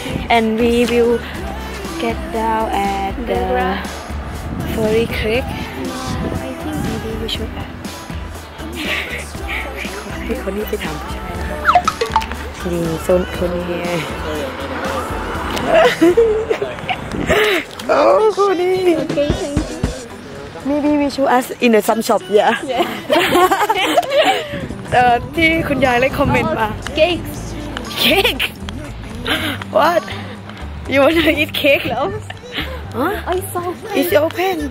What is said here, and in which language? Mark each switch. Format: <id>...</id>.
<en>and we will get down at the Furry Creek I think maybe we should</en> <th>ให้คนนี้ไปถามใช่ไหมนะคะนี่โซนคนนี้โอ้คนนี้</th> <en>Maybe we should ask in some shop, yeah. Yeah.</en> <th>ที่คุณยายเลยคอมเมนต์มา</th> <en>cake. Cake. What? You want to eat cake? No. Huh? I saw. It's open.</en>